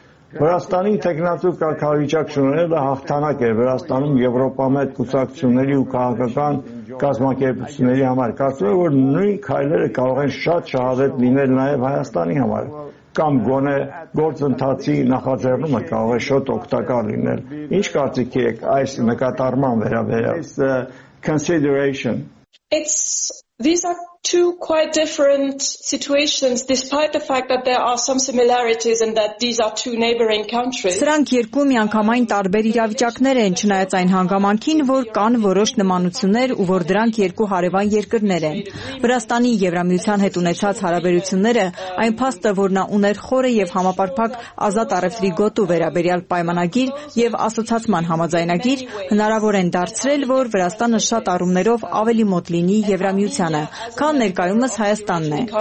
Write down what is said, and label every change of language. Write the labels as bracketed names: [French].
[Armenian] Վրաստանի տեղնացու կարգավիճակ շնորհելը հաղթանակ է Վրաստանում եվրոպամետ կուսակցությունների ու քաղաքական կազմակերպությունների համար։ Կարծում եմ, որ նույն քայլերը կարող են շատ շահավետ լինել նաև Հայաստանի համար, կամ գոնե գործընթացի նախաձեռնումը կարող է շատ օգտակար լինել։ Ինչ կարծիք եք այս նկատառմամբ վերաբերյալ? [English] Consideration. It's these are two quite different situations, despite the fact that there are some similarities and that these are two neighboring countries. [Armenian] Սրանք երկու միանգամայն տարբեր իրավիճակներ են, չնայած այն հանգամանքին, որ կան որոշ նմանություններ ու որ դրանք երկու հարևան երկրներ են. Վրաստանի Եվրամիության հետ ունեցած հարաբերությունները, այն փաստը, որ նա ուներ խորը եւ համապարփակ ազատ առևտրի գոտու վերաբերյալ պայմանագիր եւ ասոցացման համաձայնագիր, հնարավոր են դարձրել, որ Վրաստանը շատ առումներով ավելի մոտ լինի Եվրամիությանը, քան ներկայումս Հայաստանն է.